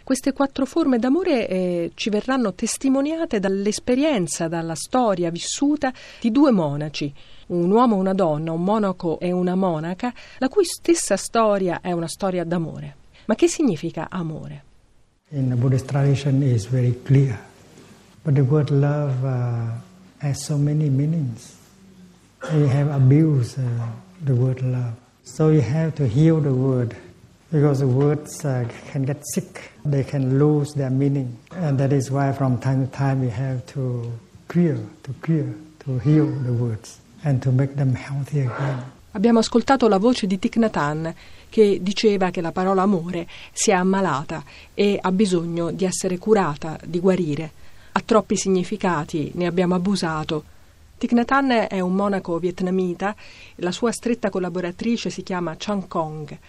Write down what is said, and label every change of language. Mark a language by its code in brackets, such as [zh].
[it] Queste quattro forme d'amore ci verranno testimoniate dall'esperienza, dalla storia vissuta di due monaci, un uomo e una donna, un monaco e una monaca, la cui stessa storia è una storia d'amore. Ma che significa amore? [en] In the Buddhist tradition is very clear. But the word love has so many meanings. We have abused the word love. So you have to heal the word, because the words can get sick. They can lose their meaning. And that is why from time to time we have to heal the words and to make them healthy again. [it] Abbiamo ascoltato la voce di Thich Nhat Hanh che diceva che la parola amore si è ammalata e ha bisogno di essere curata, di guarire. Ha troppi significati, ne abbiamo abusato. Thich Nhat Hanh è un monaco vietnamita, la sua stretta collaboratrice si chiama Chan Kong.